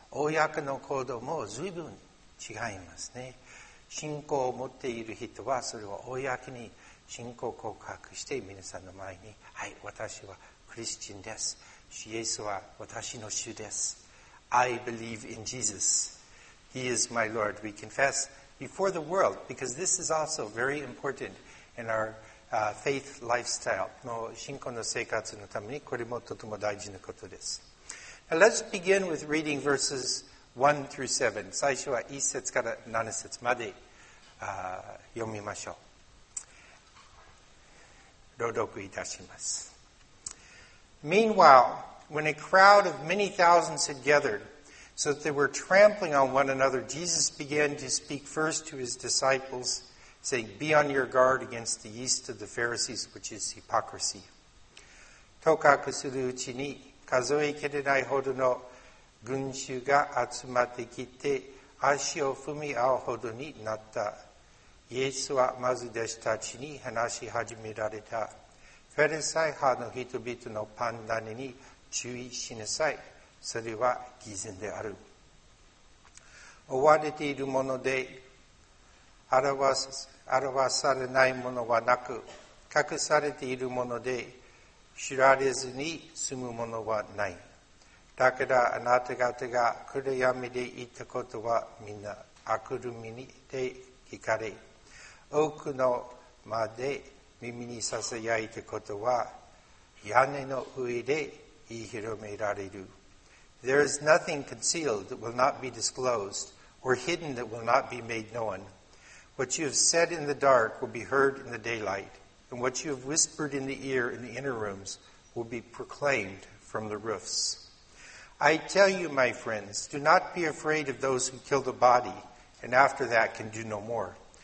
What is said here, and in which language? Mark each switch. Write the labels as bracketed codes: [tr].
[ja] 公の行動も随分違いますね。信仰を持っている人はそれを公に信仰告白して皆さんの前に、はい、私はクリスチンです。主イエスは私の主です。 [en] I believe in Jesus. He is my Lord. We confess before the world because this is also very important in our faith lifestyle. [ja] の信仰の生活のためにこれもとても大事なことです。 [en] Let's begin with reading verses 1 through 7. [ja] 最初は1節から7節まで読みましょう。朗読いたします。 [en] Meanwhile, when a crowd of many thousands had gathered, so that they were trampling on one another, Jesus began to speak first to his disciples, saying, Be on your guard against the yeast of the Pharisees, which is hypocrisy. [ja] とかくするうちに、数えきれないほどの群衆が集まってきて足を踏み合うほどになった。イエスはまず弟子たちに話し始められた。フェリサイ派の人々のパンダネに注意しなさい。それは偽善である。追われているもので表されないものはなく、隠されているもので知られずに済むものはない。だからあなた方が暗闇で言ったことはみんな明るみにて聞かれ、多くのまで耳にささやいたことは屋根の上で言い広められる。 [en] There is nothing concealed that will not be disclosed, or hidden that will not be made known. What you have said in the dark will be heard in the daylight. And what you have whispered in the ear in the inner rooms will be proclaimed from the roofs. I tell you, my friends, do not be afraid of those who kill the body and after that can do no more.